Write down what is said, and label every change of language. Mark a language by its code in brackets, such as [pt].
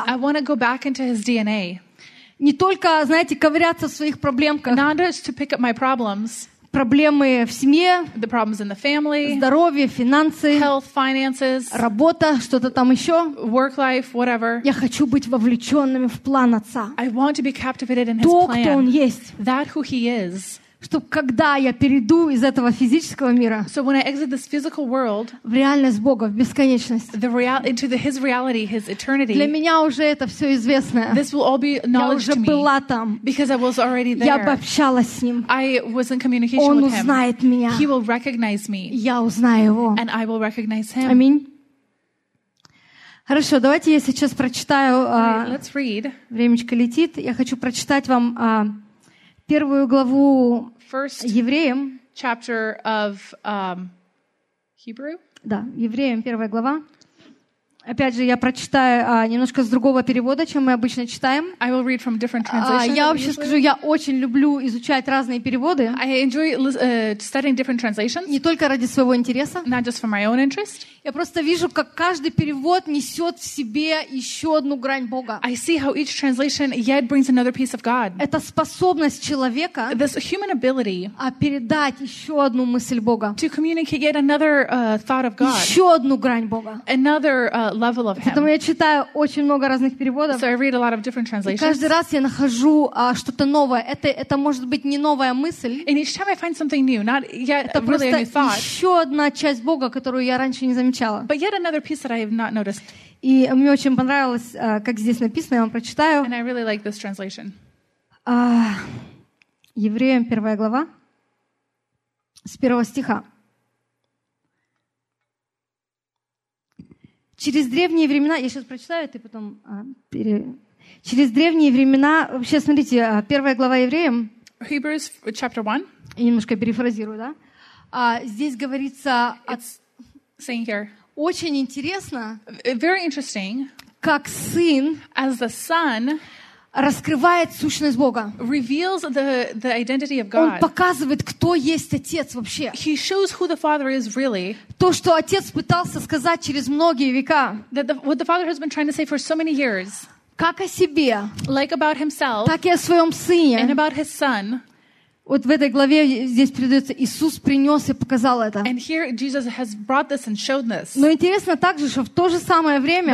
[en] I want to go back into his DNA. [ru] Не только, знаете, ковыряться в своих проблемках. [en] Not just to pick up my problems. [ru] Проблемы в семье, [en] the problems in the family, [ru] здоровье, финансы, [en] health, finances, [ru] работа, что-то там еще. [en] Work life, whatever. [ru] Я хочу быть вовлеченными в план Отца. [en] I want to be captivated in [ru] то, [en] his plan, [ru] кто Он есть. [en] That who he is. [ru] Чтобы когда я перейду из этого физического мира, [en] so when I exit this physical world, [ru] в реальность Бога, в бесконечность, [en] the into the, his reality, his eternity, [ru] для меня уже это все известно. [en] This will all be knowledge [ru] я уже была там. [en] Because I was already there. [ru] Я бы общалась с Ним. [en] I was in communication [ru] Он [en] with [ru] узнает [en] him. [ru] Меня. [en] He will recognize me, [ru] я узнаю Его. [en] And I will recognize him. [ru] Аминь. Хорошо, давайте я сейчас прочитаю. Времечко летит. Я хочу прочитать вам первую главу Евреям. [en] Chapter of Hebrew. [ru] Да, Евреям, первая глава. Опять же, я прочитаю немножко с другого перевода, чем мы обычно читаем. [en] I will read from different translations. [ru] Я вообще скажу, я очень люблю изучать разные переводы. [en] I enjoy studying different translations. [ru] Не только ради своего интереса. [en] Not just for my own interest. [ru] Я просто вижу, как каждый перевод несет в себе еще одну грань Бога. [en] I see how each translation yet brings another piece of God. [ru] Это способность человека. [en] This human ability. [ru] Передать еще одну мысль Бога. [en] To communicate yet another thought of God. [ru] Еще одну грань Бога. [en] Another level of him. [ru] Поэтому я читаю очень много разных переводов. [en] So I read a lot of different translations. [ru] И каждый раз я нахожу что-то новое. Это может быть не новая мысль. [en] And each time I find something new, not yet [ru] это [en] really [ru] просто [en] a new thought. [ru] Еще одна часть Бога, которую я раньше не замечала. [en] But yet another piece that I have not noticed. [ru] И мне очень понравилось, как здесь написано, я вам прочитаю. [en] And I really like this translation. [ru] Евреям, первая глава, с первого стиха. Через древние времена, я сейчас прочитаю, ты потом через древние времена, вообще смотрите, первая глава Евреям. [en] Hebrews chapter 1. [ru] Я немножко перефразирую, да? Здесь говорится [en] saying here. [ru] Очень интересно. [en] Very interesting. [ru] Как сын [en] as the son [ru] раскрывает сущность Бога. [en] Reveals the identity of God. [ru] Он показывает, кто есть Отец вообще. [en] He shows who the Father is really. [ru] То, что Отец пытался сказать через многие века. [en] What the Father has been trying to say for so many years. [ru] Как о себе. [en] Like about himself. [ru] Так и о своем сыне. [en] And about his son. [ru] Вот в этой главе здесь передается, Иисус принес и показал это. [en] And here Jesus has brought this and showed this. [ru] Но интересно также, что в то же самое время